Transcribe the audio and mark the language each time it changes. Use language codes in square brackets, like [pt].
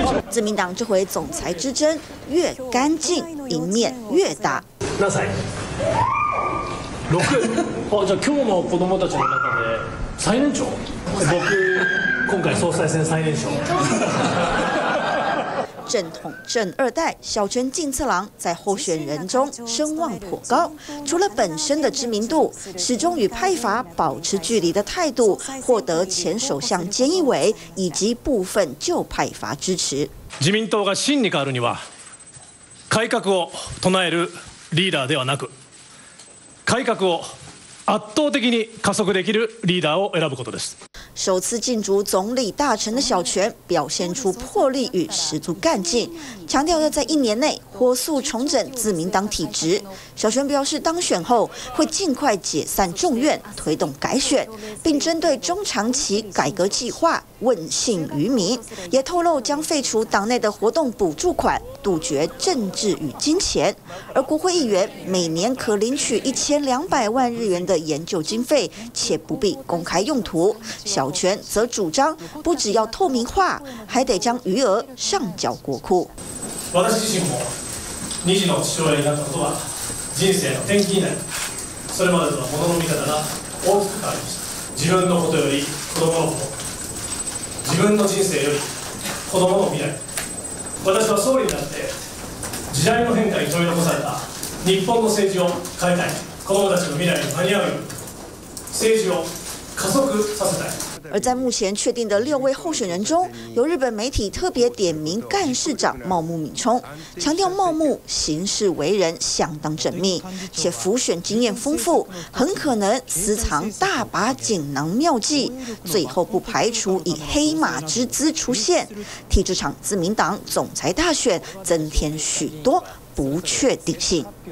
[zh] 自民党这回总裁之争越干净，赢面越大。那谁？六。 [ja] 哦，じゃ今日の子供たちの中で最年長。僕今回総裁選最年長。 [zh] 正统正二代小泉进次郎在候选人中声望颇高，除了本身的知名度，始终与派阀保持距离的态度获得前首相菅义伟以及部分旧派阀支持。 [ja] 自民党が真に変わるには改革を唱えるリーダーではなく、改革を圧倒的に加速できるリーダーを選ぶことです。 [zh] 首次进驻总理大臣的小泉表现出魄力与十足干劲，强调要在一年内火速重整自民党体制。小泉表示，当选后会尽快解散众院，推动改选，并针对中长期改革计划问信于民，也透露将废除党内的活动补助款，杜绝政治与金钱。而国会议员每年可领取1200万日元的研究经费，且不必公开用途。小泉则主张，不只要透明化，还得将余额上缴国库。 [ja] 我自身も二児の父親になったことは人生の転機になり、それまでとは物の見方が大きく変わりました。自分のことより子供のこと、自分の人生より子供の未来。私は総理になって時代の変化に取り残された日本の政治を変えたい。子供たちの未来に間に合うように政治を加速させたい。 [zh] 而在目前确定的六位候选人中，由日本媒体特别点名干事长茂木敏充，强调茂木行事为人相当缜密，且辅选经验丰富，很可能私藏大把锦囊妙计，最后不排除以黑马之姿出现，替这场自民党总裁大选增添许多不确定性。